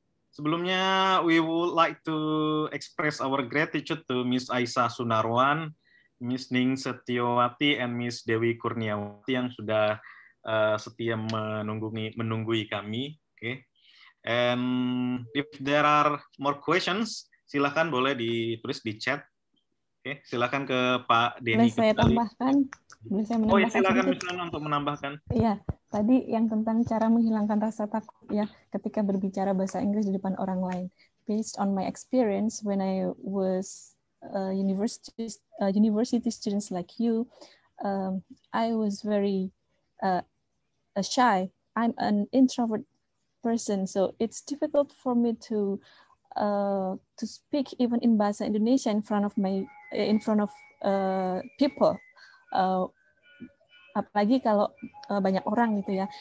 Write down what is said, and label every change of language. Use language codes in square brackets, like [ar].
[id] Sebelumnya, [en] we would like to express our gratitude to Ms. Aisa Sunarwan, Ms. Ning Setiawati, and Ms. [id] Dewi Kurniawati yang sudah setia menunggui kami. [en] Okay. And if there are more questions, [id] silakan boleh ditulis di chat. Oke, silakan ke Pak Denny. Boleh saya tambahkan? Boleh saya menambahkan? Oh ya, silakan misalnya untuk menambahkan. Iya, tadi yang tentang cara menghilangkan rasa takut ya ketika berbicara bahasa Inggris di depan orang lain. [en] Based on my experience when I was university students like you, I was very shy. I'm an introvert person, so it's difficult for me to speak even in bahasa Indonesia in front of people, [id] apalagi kalau banyak orang gitu ya.